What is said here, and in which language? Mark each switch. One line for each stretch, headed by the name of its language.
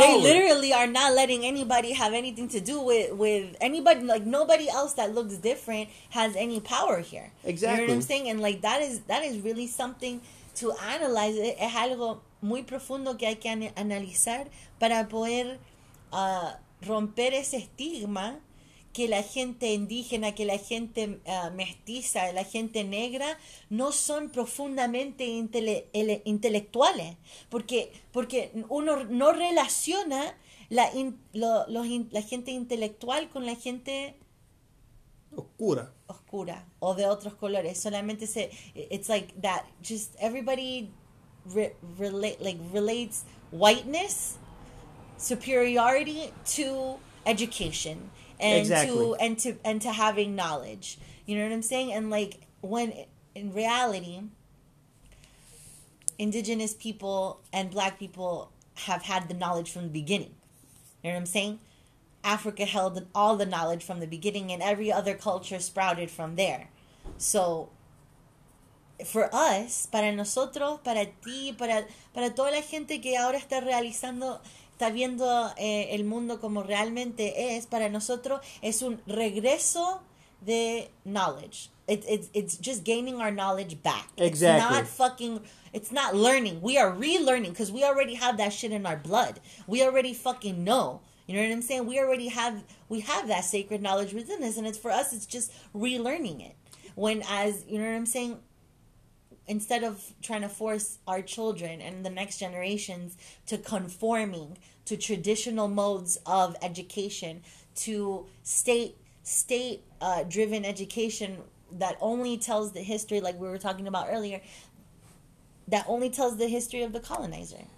English: They literally are not letting anybody have anything to do with anybody. Like, nobody else that looks different has any power here. Exactly. You know what I'm saying? And, like, that is really something to analyze.
Spanish: Es algo muy profundo que hay que analizar para poder romper ese estigma que la gente indígena, que la gente mestiza, la gente negra, no son profundamente intelectuales. Porque uno no relaciona la gente intelectual con la gente oscura. Oscura, o de otros colores. Solamente se,
English: it's like that, just everybody relates whiteness, superiority to education and exactly. to having knowledge. You know what I'm saying? And like when in reality, indigenous people and black people have had the knowledge from the beginning. You know what I'm saying? Africa held all the knowledge from the beginning and every other culture sprouted from there. So for us,
Spanish: para nosotros, para ti, para toda la gente que ahora está realizando, está viendo el mundo como realmente es, para nosotros es un regreso de
English: knowledge. It's just gaining our knowledge back. Exactly. It's not fucking, it's not learning. We are relearning because we already have that shit in our blood. We already fucking know. You know what I'm saying? We already have that sacred knowledge within us, and it's for us, it's just relearning it. You know what I'm saying? Instead of trying to force our children and the next generations to conforming to traditional modes of education, to state-driven education that only tells the history, like we were talking about earlier, that only tells the history of the colonizer.